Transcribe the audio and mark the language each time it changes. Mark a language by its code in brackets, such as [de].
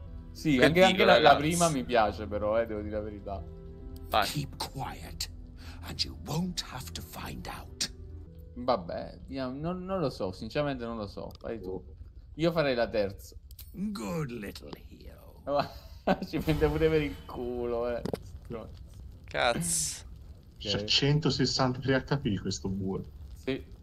[it] Sì, anche la prima mi piace, però, devo dire la verità. [en] Keep quiet and you won't have to find out. [it] Vabbè, io non lo so, sinceramente non lo so. Fai tu. Io farei la terza. [en] Good little hero. [it] Ci mette pure per il culo, Cazzo. Okay. C'ha 163 HP questo bue. Sì.